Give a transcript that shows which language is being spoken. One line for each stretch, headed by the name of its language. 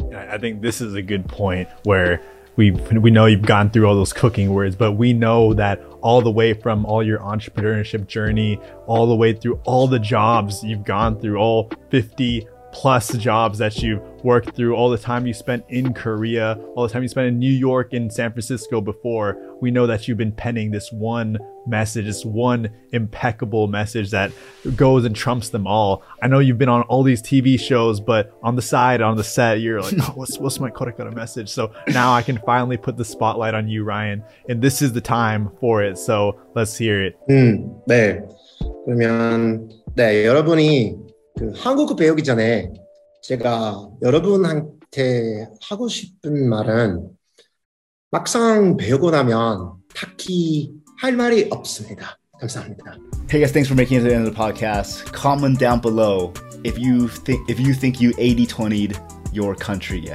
English: I think this is a good point where we know you've gone through all those cooking words, but we know that all the way from all your entrepreneurship journey, all the way through all the jobs you've gone through, all 50 plus jobs that you've worked through, all the time you spent in Korea, all the time you spent in New York and San Francisco before, we know that you've been penning this one message, this one impeccable message that goes and trumps them all. I know you've been on all these TV shows, but on the side, on the set, you're like, oh, what's my Korekara message? So now I can finally put the spotlight on you, Ryan, and this is the time for it. So let's hear it.
Korean: 네. 그러면 네, 여러분이 그 한국어 배우기 전에 제가 여러분한테 하고 싶은 말은 막상 배우고 나면 딱히 할 말이 없습니다. 감사합니다.
English: Hey guys, thanks for making it to the end of the podcast. Comment down below if you think you 80-20'd your country yet.